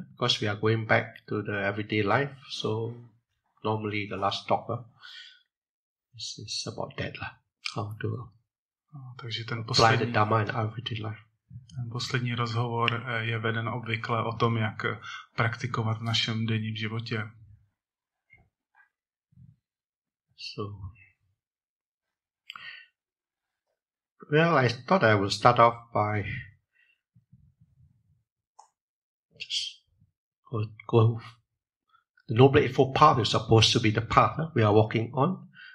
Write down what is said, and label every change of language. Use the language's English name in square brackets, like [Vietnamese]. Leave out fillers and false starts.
[English] Because we are going back to the everyday life, so normally the last talk is about that lah. How to [Czech] Takže ten [English] apply the Dhamma in everyday life. [Czech] Poslední rozhovor je veden obvykle o tom, jak praktikovat v našem denním životě. [English] So, well, I thought I would start off by just go the Noble Eightfold Path is supposed to be the path we are walking on.